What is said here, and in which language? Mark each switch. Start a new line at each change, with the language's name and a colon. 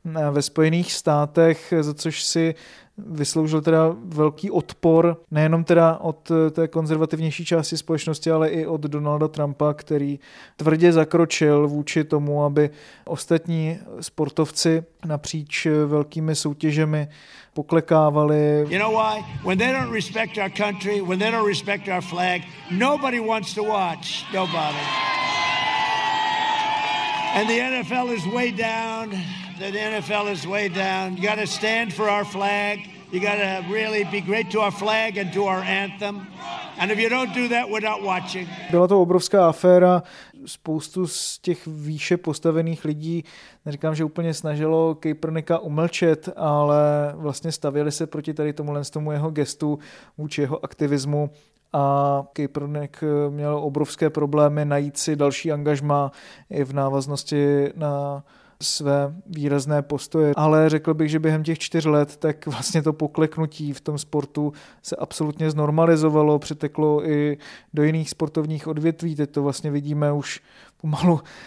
Czech: ve Spojených státech, za což si vysloužil teda velký odpor nejenom teda od té konzervativnější části společnosti, ale i od Donalda Trumpa, který tvrdě zakročil vůči tomu, aby ostatní sportovci napříč velkými soutěžemi poklekávali.
English: You know why? When they don't respect our country, when they don't respect our flag, nobody wants to watch. Nobody. And the NFL is way down. The NFL is way down. You gotta stand for our flag. You gotta really be great to our flag and to our anthem. And if you don't do that, we're not watching.
Czech: Byla to obrovská aféra. Spoustu z těch výše postavených lidí, neříkám, že úplně snažilo Kaepernicka umlčet, ale vlastně stavěli se proti tady tomu jeho gestu, vůči jeho aktivismu. A Kaepernick měl obrovské problémy najít si další angažmá i v návaznosti na své výrazné postoje, ale řekl bych, že během těch 4 let tak vlastně to pokleknutí v tom sportu se absolutně znormalizovalo, přeteklo i do jiných sportovních odvětví, teď to vlastně vidíme už pomalu